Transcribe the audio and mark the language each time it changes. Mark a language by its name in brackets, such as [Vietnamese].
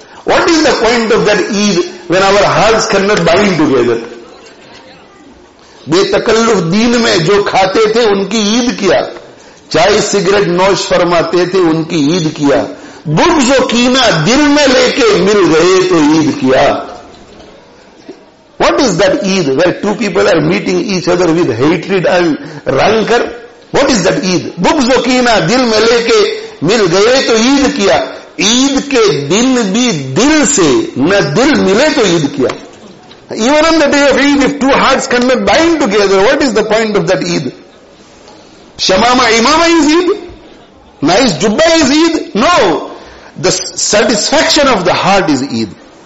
[English] What is the point of that Eid when our hearts cannot bind together? [Urdu] بے تکلف دین میں جو کھاتے تھے ان کی عید کیا، چائے سگریٹ نوش فرماتے تھے ان کی عید کیا، بغض و کینہ دل میں لے کے مل گئے تو عید کیا. [English] What is that Eid where two people are meeting each other with hatred and rancor? What is that [Urdu] عید؟ بغض و کینہ دل میں لے کے مل گئے تو عید کیا، عید کے دن بھی دل سے نہ دل ملے تو عید کیا. [English] Even on the day of Eid if two hearts cannot bind together, what is the point of that Eid? Shamama imama is Eid? Nice jubba is Eid? No, the satisfaction of the heart is Eid.